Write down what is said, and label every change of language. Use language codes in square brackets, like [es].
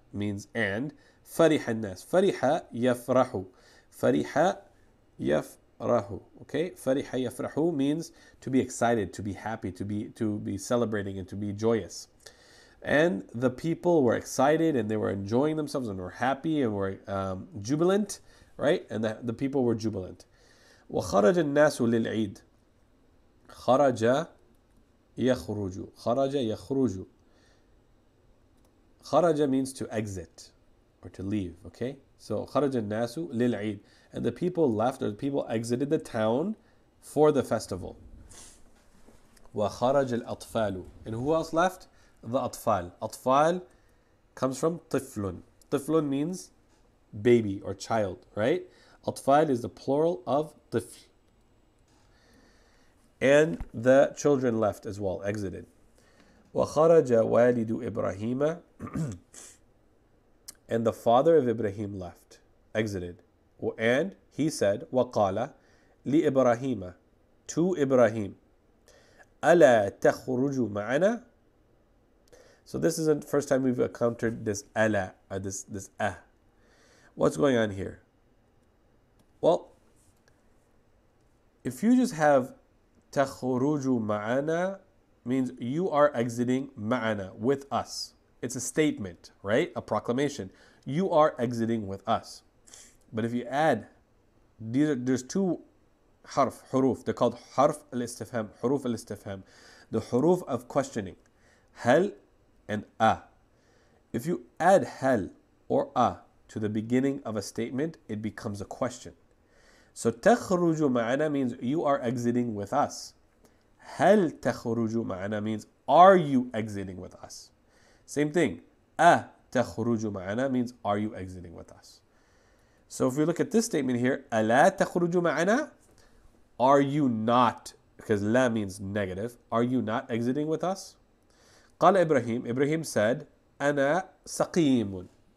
[en] Means and [ar] فرح الناس فرح يفرح فرح يفرح. [en] Okay, فرح يفرح means to be excited, to be happy, to be celebrating and to be joyous. And the people were excited and they were enjoying themselves and were happy and were jubilant, right? And the people were jubilant. [ar] وخرج الناس للعيد خرج يخرج. [en] Kharaja means to exit or to leave, okay? So, [ar] kharaja nasu lil'id. [en] And the people left or the people exited the town for the festival. [ar] وخرج الأطفال. [en] And who else left? The أطفال. أطفال comes from طفلٌ. طفلٌ means baby or child, right? أطفال is the plural of طفل. And the children left as well, exited. [ar] وخرج والد إبراهيم. [en] And the father of Ibrahim left, exited. And he said, [ar] وقال لإبراهيم, [en] to Ibrahim, [ar] ألا تخرج معنا? [en] So this isn't the first time we've encountered this ألا, this أه. What's going on here? Well, if you just have [ar] تخرج معنا, [en] means you are exiting معنا, with us. It's a statement, right? A proclamation. You are exiting with us. But if you add, there's two harf, حروف. They're called harf al-istifham, حروف al-istifham. The حروف of questioning. هل and a. If you add هل or a to the beginning of a statement, it becomes a question. So [ar] تخرج معنا [en] means you are exiting with us. [ar] هل تخرج معنا [en] means are you exiting with us? Same thing. A [ar] تخرج معنا [en] means are you exiting with us? So if we look at this statement here, [ar] ألا تخرج معنا? [en] Are you not, because لا means negative, are you not exiting with us? [ar] قال إبراهيم, إبراهيم [en] said, [ar] أنا سقيم.